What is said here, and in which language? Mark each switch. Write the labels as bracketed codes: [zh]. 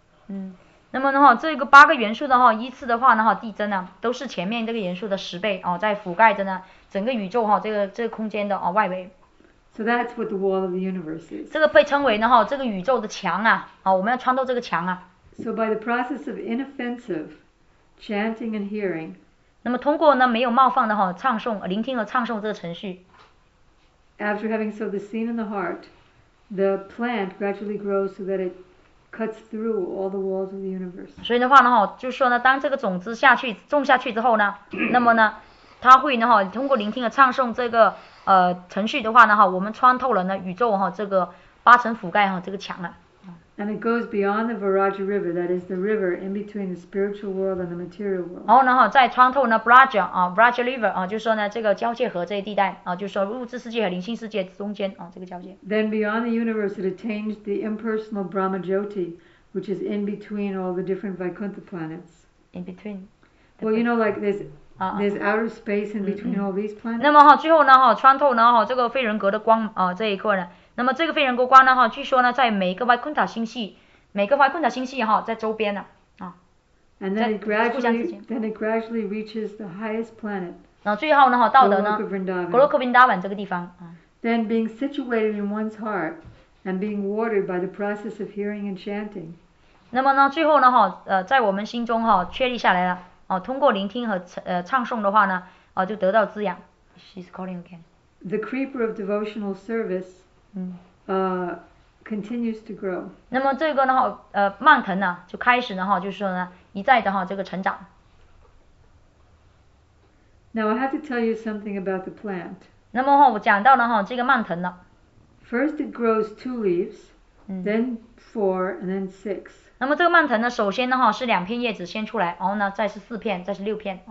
[zh] 嗯，那么的话，这个八个元素的话，依次的话呢，哈，递增呢，都是前面这个元素的10倍哦，在覆盖着呢整个宇宙哈，这个空间的啊外围。 [en] So that's what the wall of the universe is. [zh] 这个被称为呢哈，这个宇宙的墙啊，啊，我们要穿透这个墙啊。 [en] So by the process of inoffensive chanting and hearing. [zh] 那么通过呢没有冒犯的哈，唱诵、聆听和唱诵这个程序。 [en] After having sowed the seed in the heart. The plant gradually grows so that it cuts through all the walls of the universe. [zh] 所以的话呢，哈，就是说呢，当这个种子下去种下去之后呢，那么呢，它会呢，哈，通过聆听和唱诵这个程序的话呢，哈，我们穿透了呢宇宙哈这个八层覆盖哈这个墙了。 [en] And it goes beyond the Viraja River, that is the river in between the spiritual world and the material world. [zh] 然后呢，哈，再穿透呢 Viraja 啊 Viraja River 啊，就是说呢这个交界河这一地带啊，就是说物质世界和灵性世界中间啊这个交界。 [en] Then beyond the universe, it attains the impersonal Brahma Jyoti, which is in between all the different Vaikuntha planets. In between. Well, you know, like there's outer space in between all these planets. [zh] 那么哈，最后呢哈，穿透呢哈这个非人格的光啊这一块呢。那么这个非人格光呢哈，据说呢在每一个 Vaikuntha 星系，每个 Vaikuntha 星系哈在周边呢啊。 [en] And then it gradually reaches the highest planet. [zh] 然后最后呢哈，到的呢 Goloka Vrindavan 这个地方啊。 [en] Then being situated in one's heart and being watered by the process of hearing and chanting. [zh] 那么呢，最后呢哈，在我们心中哈确立下来了哦，通过聆听和唱诵的话呢，就得到滋养。 [en] She's calling again. The creeper of devotional service. Continues to grow. [zh] 那么这个呢哈，蔓藤呢就开始呢哈，就是说呢一再的哈这个成长。 [en] Now I have to tell you something about the plant. [zh] 那么哈，我讲到了哈这个蔓藤了。 [en] First it grows 2 leaves, then 4, and then 6. [zh] 那么这个蔓藤呢，首先呢哈是两片叶子先出来，然后呢再是四片，再是六片。